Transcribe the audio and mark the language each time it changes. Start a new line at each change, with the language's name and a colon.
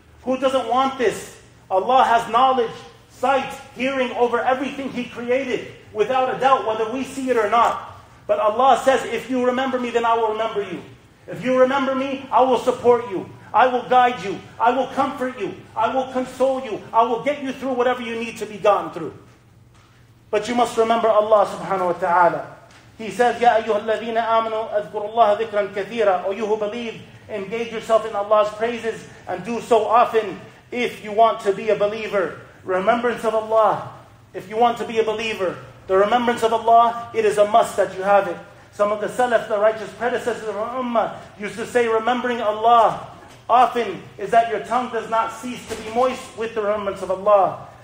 English: Who doesn't want this? Allah has knowledge, sight, hearing over everything He created, without a doubt, whether we see it or not. But Allah says, if you remember me, then I will remember you. If you remember me, I will support you. I will guide you. I will comfort you. I will console you. I will get you through whatever you need to be gotten through. But you must remember Allah subhanahu wa ta'ala. He says,
Arabic: يَا أَيُّهَا الَّذِينَ آمَنُوا أَذْكُرُ اللَّهَ ذِكْرًا كَثِيرًا.
English: O you who believe, engage yourself in Allah's praises and do so often if you want to be a believer. Remembrance of Allah, if you want to be a believer, the remembrance of Allah, it is a must that you have it. Some of the Salaf, the righteous predecessors of our Ummah, used to say, remembering Allah often is that your tongue does not cease to be moist with the remembrance of Allah.